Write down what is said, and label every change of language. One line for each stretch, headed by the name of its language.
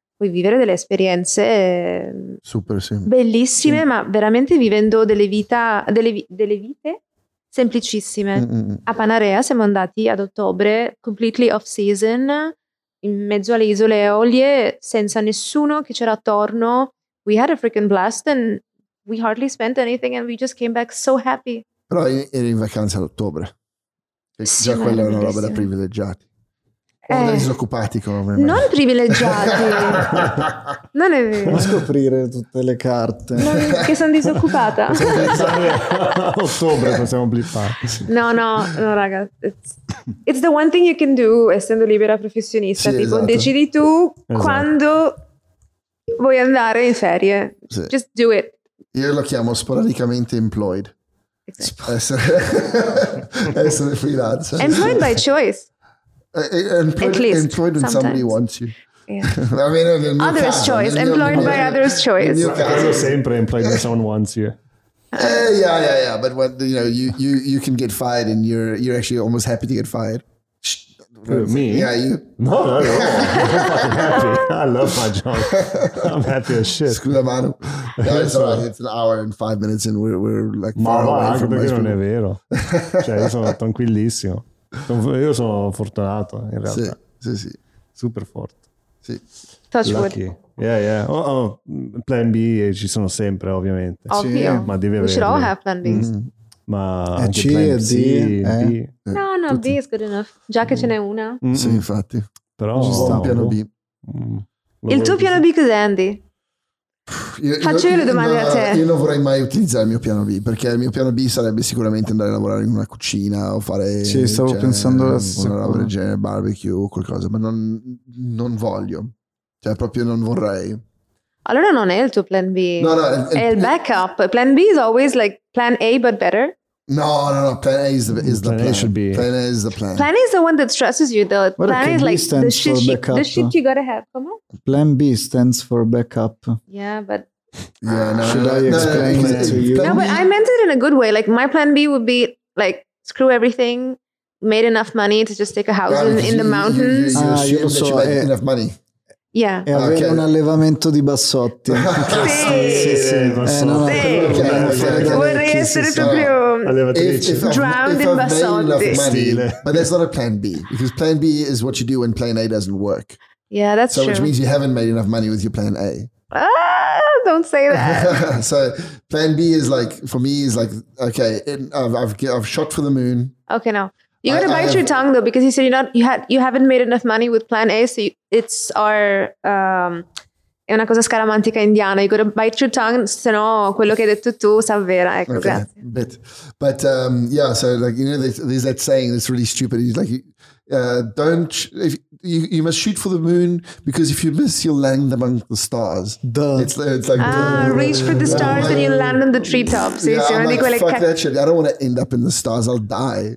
Italian: puoi vivere delle esperienze super, sì, bellissime, sì, ma veramente vivendo delle vita, delle vite semplicissime. A Panarea siamo andati ad ottobre,
English: completely off season,
Italian: in mezzo alle isole Eolie, senza nessuno che c'era attorno.
English: We had a freaking blast and we hardly spent anything and we just came back so happy.
Italian: Però eri in vacanza ad ottobre, e sì, già quella era una roba da privilegiati. Disoccupati come me. Non privilegiati, non è vero. Non scoprire tutte le carte. Non, che sono disoccupata. Ottobre possiamo blippare. No, no, no, raga.
English: It's the one thing you can do,
Italian: essendo libera professionista. Sì, tipo, esatto, decidi tu, esatto, quando vuoi andare in ferie.
English: Sì. Just do it.
Italian: Io lo chiamo sporadicamente employed. Exactly. Essere, essere freelance.
English: Employed by choice. Employed, at least, employed when sometimes somebody wants you, yeah. I mean,
Italian: nel mio
English: others
Italian: caso,
English: choice
Italian: nel mio,
English: employed by others choice,
Italian: nel mio caso
English: sempre employed when someone wants you. Yeah but when, you know, you can get fired and you're actually almost happy to get fired. Me? Yeah, you. No, no, no. I'm happy. I love my job. I'm happy as shit. Scusa, Manu. No, it's all right. It's an hour and 5 minutes and we're like far away from most people.
Italian: Non è vero. Cioè, io sono tranquillissimo. Io sono fortunato, in realtà. Sì, sì, sì. Super forte. Sì.
English: Touch wood. Lucky. Yeah, yeah.
Italian: Oh, plan B ci sono sempre, ovviamente. Ovvio. Ma devi avere.
English: We should all have plan Bs.
Italian: Ma anche plan C, D. No, no, tutti.
English: B is good enough.
Italian: Già che ce n'è una. Mm. Sì, infatti. Però ci sta un piano B. Il tuo piano B cos'è, Andy? Faccio le domande a te. Io non vorrei mai utilizzare il mio piano B, perché il mio piano B sarebbe sicuramente andare a lavorare in una cucina o fare. Sì, stavo pensando a una roba del genere, barbecue o qualcosa, ma non voglio. Cioè, proprio non vorrei. Allora non è il tuo plan B. No, no, è il backup.
English: Plan B is always like plan A but better. No, no, no, plan A is the plan. Should be. Plan A is the plan. Plan A is the one that stresses you, though. Plan A is like the shit you gotta have. Come on. Plan B stands for backup. Yeah, but... Yeah, no, should I explain it to you? No, but I meant it in a good way. Like, my plan B would be, like, screw everything, made enough money to just take a house in the mountains. You made enough money. Yeah.
Italian: E avere un allevamento di bassotti. Sì, vorrei essere proprio drowned in bassotti.
English: But that's not a plan B, because plan B is what you do when plan A doesn't work. Yeah, that's so true. Which means you haven't made enough money with your plan A. Don't say that. So plan B is like, for me, is like, okay, I've shot for the moon. Okay, no. You gotta bite your tongue though, because you said you haven't made enough money with plan A, so
Italian: è una cosa scaramantica indiana.
English: You gotta bite your tongue,
Italian: se no quello che hai detto tu si avvera, ecco.
English: Okay. Grazie. Yeah, so like, you know, there's that saying that's really stupid. It's like, you must shoot for the moon, because if you miss, you'll land among the stars. Duh. Reach for the stars and you'll land on the treetops. Fuck that shit. I don't want to end up in the stars. I'll die.